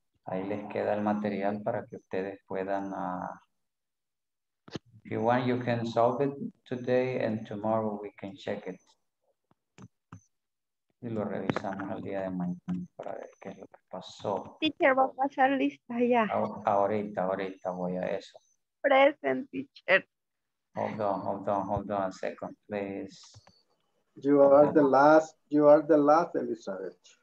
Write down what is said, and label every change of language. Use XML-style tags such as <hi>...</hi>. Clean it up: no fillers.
<es>Ahí les queda el material para que ustedes puedan.</es> <en>If you want, you can solve it today and tomorrow we can check it.</en> <es>Y lo revisamos el día de mañana para ver qué es lo que pasó. Teacher, va a pasar lista ya. Ahorita voy a eso.</es> <en>Present, teacher. Hold on a second, please. You are the last, Elizabeth.</en>